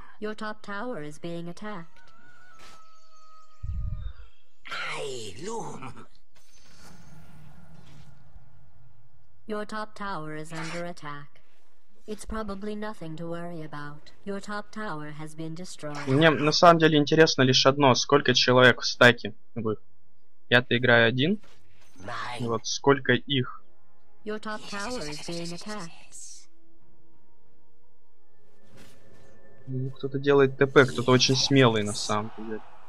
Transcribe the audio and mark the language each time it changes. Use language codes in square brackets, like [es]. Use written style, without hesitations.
[en] Your top tower is being attacked. I loom. Your top tower is under attack. It's probably nothing to worry about. Your top tower has been destroyed. [ru] Мне на самом деле интересно лишь одно, сколько человек в стаке будет. Я-то играю один. И вот сколько их. [en] Your top tower is being attacked. [ru] Ну, кто-то делает ТП, кто-то очень смелый на самом деле.